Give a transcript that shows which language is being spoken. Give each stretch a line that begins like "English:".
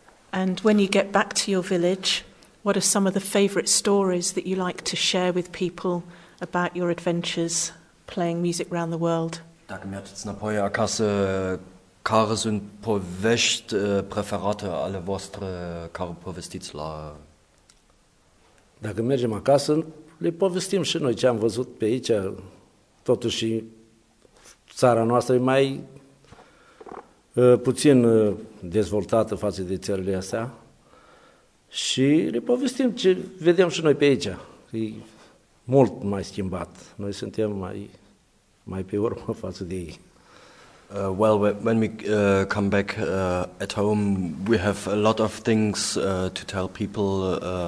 English: And when you get back to your village, what are some of the favorite stories that you like to share with people about your adventures playing music around the world?
Romanian: Dacă mergeți înapoi acasă, care sunt povești preferate ale voastre care povestiți la... Dacă mergem acasă, le povestim și noi ce am văzut pe aici. Totuși, țara noastră e mai puțin dezvoltată față de țările astea și le povestim ce vedem și noi pe aici. E mult mai schimbat. Noi suntem mai pe urmă față de ei.
English: Well, when we come back at home, we have a lot of things to tell people.